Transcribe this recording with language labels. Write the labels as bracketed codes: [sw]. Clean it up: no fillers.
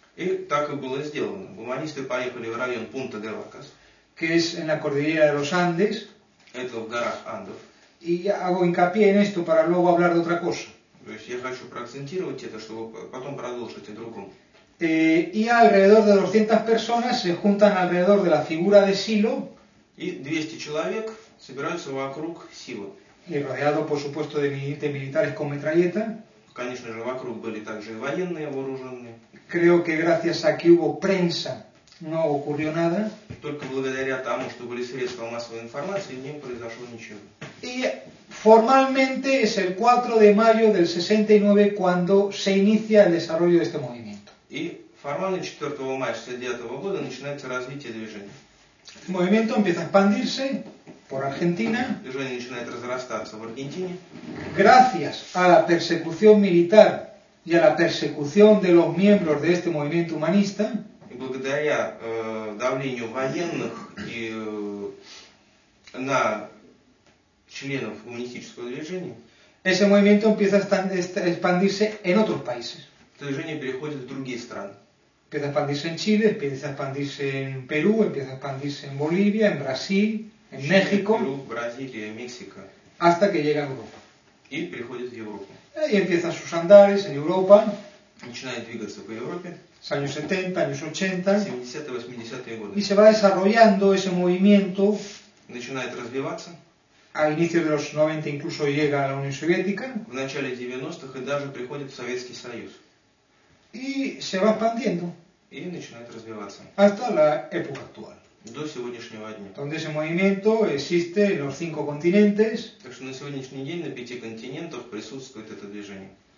[ru] Y так и было сделано. Гуманисты поехали в район Punta de Vacas. [es] Que es en la cordillera de los Andes. [ru] Это в горах Андов. [es] Y hago hincapié en esto para luego hablar de otra cosa. [ru] То есть я хочу проакцентировать это, чтобы потом продолжить о другом. [es] Y alrededor de 200 personas se juntan alrededor de la figura de Silo. [ru] И 200 человек собираются вокруг Силы. [es] И rodeado, por supuesto, de militares con metralleta. [ru] Конечно же, вокруг были также и военные вооруженные. [es] Creo que gracias a que hubo prensa no ocurrió nada. [ru] Только благодаря тому, что были средства массовой информации, не произошло ничего. И формально [es] es el 4 de mayo del 69 cuando se inicia el desarrollo de este movimiento. [ru] И формально 4 мая 69 года начинается развитие движения. [es] El movimiento empieza a expandirse por Argentina. [ru] Движение начинает разрастаться в Аргентине. [es] Gracias a la persecución militar. y a la persecución de los miembros de este movimiento humanista, [ru] и благодаря давлению военных и на членов гуманистического движения, [es] ese movimiento empieza a expandirse en otros países. [ru] Это движение переходит в другие страны. [es] Empieza a expandirse en Chile, empieza a expandirse en Perú, empieza a expandirse en Bolivia, en Brasil, en México. [ru] Perú, Brasilia, México. [es] Hasta que llega a Europa. [ru] Y приходит в Европу. [es] Y empiezan sus andares en Europa. [ru] Начинает двигаться по Европе. [es] С años 70, años 80. [ru] 70, 80-е годы. [es] Y se va desarrollando ese movimiento. [ru] Начинает развиваться. [es] A inicios de los 90 incluso llega a la Unión Soviética. [ru] В начале 90-х и даже приходит в Советский Союз. [es] И se va expandiendo. [ru] И начинает развиваться. [es] Hasta la época actual. [ru] До сегодняшнего дня. [es] Donde ese movimiento existe en los 5 continentes. [ru] Так что на сегодняшний день на 5 континентах присутствует это движение.